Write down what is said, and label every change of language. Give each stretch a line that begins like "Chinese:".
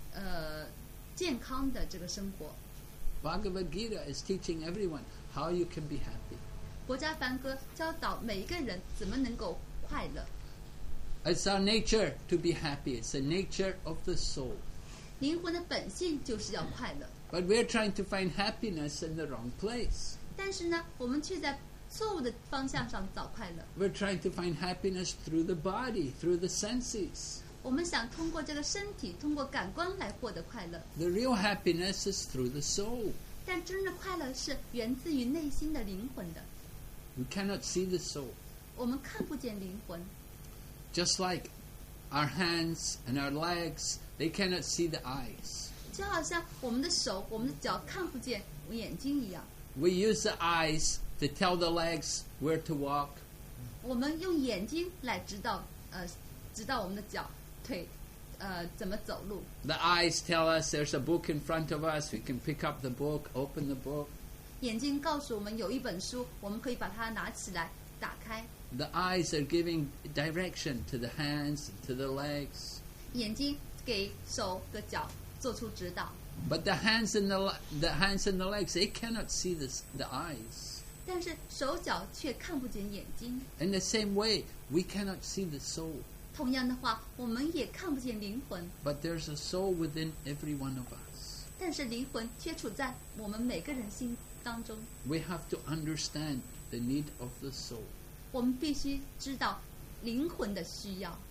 Chinese: 但是呢，我们可以享受来自于灵性活动的最健康的这个生活。
English: Bhagavad Gita is teaching everyone how you can be happy.
Chinese: 国家梵歌教导每一个人怎么能够快乐。
English: It's our nature to be happy. It's the nature of the soul.
Chinese: 灵魂的本性就是要快乐。
English: But we're trying to find happiness in the wrong place.
Chinese: 但是呢，我们却在错误的方向上找快乐。
English: We're trying to find happiness through the body, through the senses.
Chinese: 我们想通过这个身体，通过感官来获得快乐。
English: The real happiness is through the soul.
Chinese: 但真的快乐是源自于内心的灵魂的。
English: We cannot see the soul.
Chinese: 我们看不见灵魂。
English: Just like our hands and our legs, they cannot see the eyes.
Chinese: 就好像我们的手、我们的脚看不见眼睛一样。
English: We use the eyes to tell the legs where to walk.
Chinese: 我们用眼睛来指导指导我们的脚。怎么走路
English: The eyes tell us there's a book in front of us. We can pick up the book, open the book.
Chinese: 眼睛告诉我们有一本书，我们可以把它拿起来打开。
English: The eyes are giving direction to the hands, to the legs.
Chinese: 眼睛给手和脚做出指导。
English: But the hands and the legs, they cannot see the eyes.
Chinese: 但是手脚却看不见眼睛。
English: In the same way, we cannot see the soul.
Chinese: 同样的话，我们也看不见灵魂。
English: But there's a soul within every one of us.
Chinese: 但是灵魂却处在我们每个人心当中。
English: We have to understand the need of the soul.
Chinese: 我们必须知道灵魂的需要。